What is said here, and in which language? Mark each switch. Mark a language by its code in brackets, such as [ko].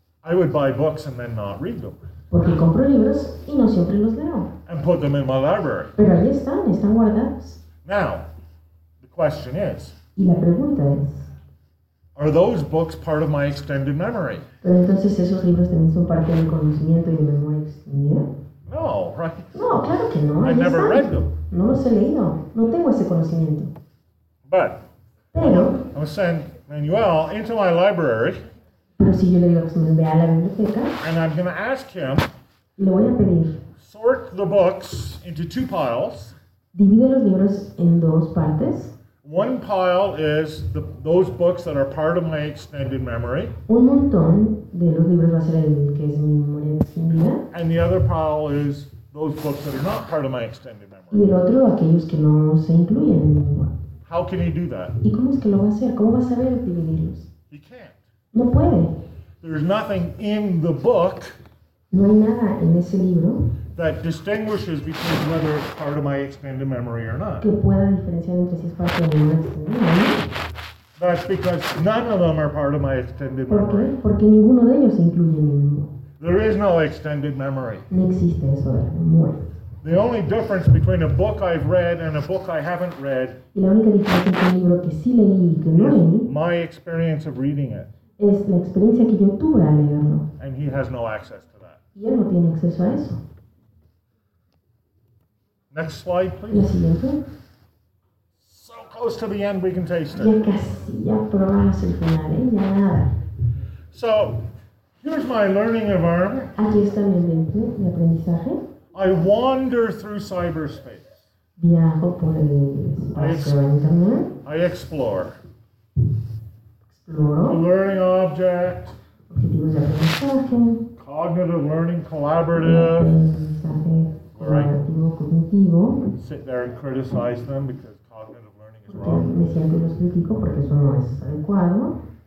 [en] I would buy books and then not read them. [es] Porque compro libros y no siempre los leo. [en] And put them in my library. [es] Pero ahí están guardados. [en] Now, the question is. [es] Y la pregunta es. [en] Are those books part of my extended memory? [es] Pero entonces esos libros también son parte del conocimiento y de memoria extendida. [en] No, right? [es] No, claro que no. [en] I never read them. [es] No los he leído. No tengo ese conocimiento. [en] But. [es] Pero. [en] I would send Manuel into my library. [es] Pero si yo le digo que me vea la biblioteca, [en] and I'm going to ask him, [es] le voy a pedir, [en] sort the books into two piles. [es] Divide los libros en dos partes. [en] One pile is those books that are part of my extended memory. [es] Un montón de los libros va a ser el que es mi memoria extendida. [en] And the other pile is those books that are not part of my extended memory. [es] Y el otro, aquellos que no se incluyen en mi memoria. [en] How can he do that? [es] ¿Y cómo es que lo va a hacer? ¿Cómo va a saber dividirlos? [en] He can't. [es] No puede. [en] There's nothing in the book. [es] No hay nada en ese libro. [en] That distinguishes between whether it's part of my extended memory or not. [es] Que pueda diferenciar entre si es parte de mi memoria extendida. [en] That's because none of them are part of my extended memory. [es] ¿Por qué? Porque ninguno de ellos incluye mi memoria. [en] There is no extended memory. [es] No existe eso de la memoria. [en] The only difference between a book I've read and a book I haven't read. [es] Y la única diferencia entre un libro que sí leí y que no leí. [en] My experience of reading it. [es] Es la experiencia que yo tuve al leerlo. [en] And he has no access to that. [es] Y él no tiene acceso a eso. [en] Next slide, please. [es] La siguiente. [en] So close to the end, we can taste it. [es] Ya casi, ya probamos el final, ya nada. [en] So, here's my learning environment. [es] Aquí está mi ambiente de aprendizaje. [en] I wander through cyberspace. [es] Viajo por el espacio en internet. [en] I explore. [es] Exploro. [en] A learning object. [es] Objetivos de aprendizaje. [en] Cognitive learning collaborative. [es] Aprendizaje colaborativo cognitivo. [en] Sit there and criticize them because cognitive learning is [es] porque [en] wrong. [es] Me siento y los critico porque eso no es adecuado.